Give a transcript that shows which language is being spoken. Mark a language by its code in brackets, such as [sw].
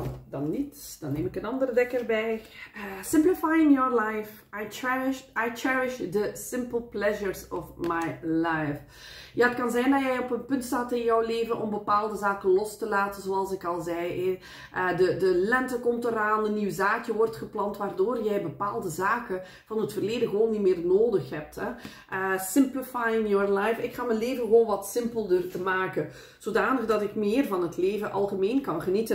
[nl] Dan niet, dan neem ik een andere dek erbij. [en] Simplifying your life. I cherish the simple pleasures of my life. [nl] Ja, het kan zijn dat jij op een punt staat in jouw leven om bepaalde zaken los te laten, zoals ik al zei. De lente komt eraan, een nieuw zaadje wordt geplant, waardoor jij bepaalde zaken van het verleden gewoon niet meer nodig hebt. Hè. [en] Simplifying your life. [nl] Ik ga mijn leven gewoon wat simpelder te maken, zodanig dat ik meer van het leven algemeen kan genieten.